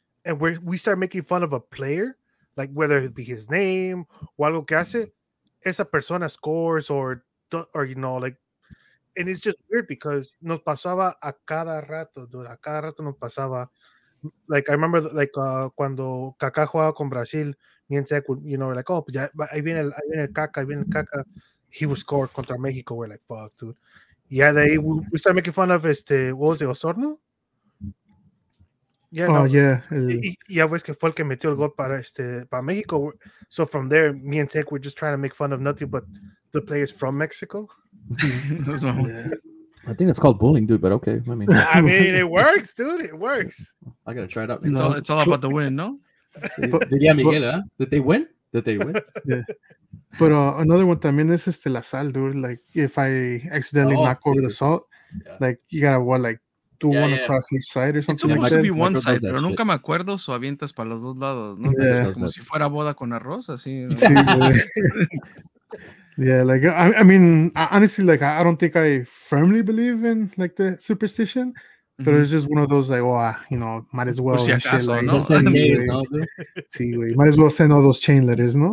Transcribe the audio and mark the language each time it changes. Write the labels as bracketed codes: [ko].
[en] And we start making fun of a player, like whether it be his name [es] o algo que hace, [en] esa persona scores or you know, like, and it's just weird because [es] nos pasaba a cada rato, dude, a cada rato nos pasaba. [en] Like, I remember, like, [es] cuando Kaká jugaba con Brasil, [en] me and Tech, you know, we're like, oh, [es] pues ya, ahí viene el Kaká, [en] he would score [es] contra México, [en] we're like, fuck, dude. Yeah, we start making fun of, what was it, Osorno? Yeah, oh, no, yeah. [es] Yeah, ves que fue el que metió el gol para Mexico. [en] So from there, me and Tech, we're just trying to make fun of nothing but the players from Mexico. I think it's called bullying, dude, but okay. I mean, it works, dude. It works. I got to try it out. It's all about the win, no? Did they win? But another one [es] también es la sal, [en] dude. Like, if I accidentally knock over the salt, like, you got to what, like, across each side or something. It's supposed like to be one side, [es] pero [en] shit. [es] Nunca me acuerdo, so avientas para los dos lados, ¿no? [en] Yeah. [es] Como si fuera boda con arroz, así. Sí, [en] yeah, like, I mean, honestly, like, I don't think I firmly believe in, like, the superstition, mm-hmm. but it's just one of those, like, oh, you know, might as well. [es] Si acaso, shit, [en] like, [es] ¿no? Sí, güey, [en] might as well send all those chain letters, ¿no?